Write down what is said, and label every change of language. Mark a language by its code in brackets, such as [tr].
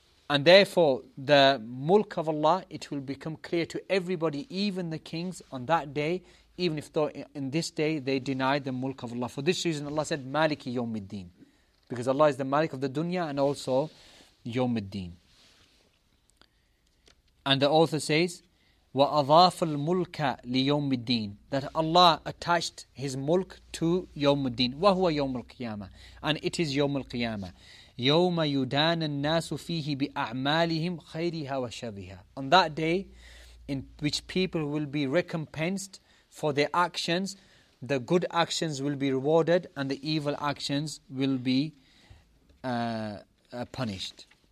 [en] And therefore, the mulk of Allah, it will become clear to everybody, even the kings on that day, even if though in this day they deny the mulk of Allah. For this reason, Allah said, Maliki Yawmiddin. Because Allah is the Malik of the dunya and also Yawmiddin. And the author says, [ar] وَأَضَافَ الْمُلْكَ لِيَوْمِ الدِّينِ, [en] that Allah attached His mulk to [ar] يَوْمُ الدِّينِ. وَهُوَ يَوْمُ الْقِيَامَةِ, [en] and it is [ar] يَوْمُ الْقِيَامَةِ. يَوْمَ يُدَانَ النَّاسُ فِيهِ بِأَعْمَالِهِمْ خَيْرِهَا وَشَرِّهَا, [en] on that day in which people will be recompensed for their actions, the good actions will be rewarded and the evil actions will be punished.